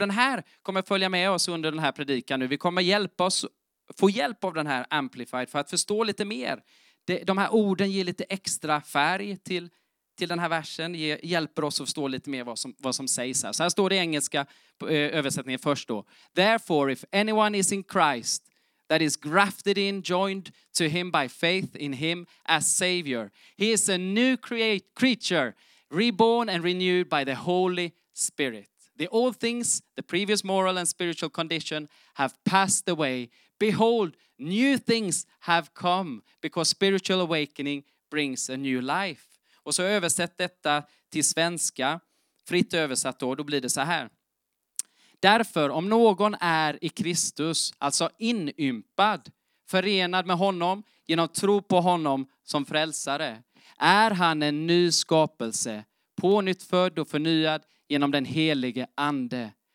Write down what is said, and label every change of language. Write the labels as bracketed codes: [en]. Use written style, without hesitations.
[sv] Och den här kommer följa med oss under den här predikan nu. Vi kommer få hjälp av den här Amplified för att förstå lite mer. De här orden ger lite extra färg till den här versen. Hjälper oss att förstå lite mer vad som sägs här. Så här står det i engelska översättningen först då. [en] Therefore, if anyone is in Christ, that is grafted in, joined to him by faith in him as Savior. He is a new creature, reborn and renewed by the Holy Spirit. The old things, the previous moral and spiritual condition, have passed away. Behold, new things have come, because spiritual awakening brings a new life. [sv] Och så översätt detta till svenska, fritt översatt då blir det så här. Därför, om någon är i Kristus, alltså inympad, förenad med honom genom tro på honom som frälsare, är han en ny skapelse, pånyttfödd och förnyad genom den helige ande.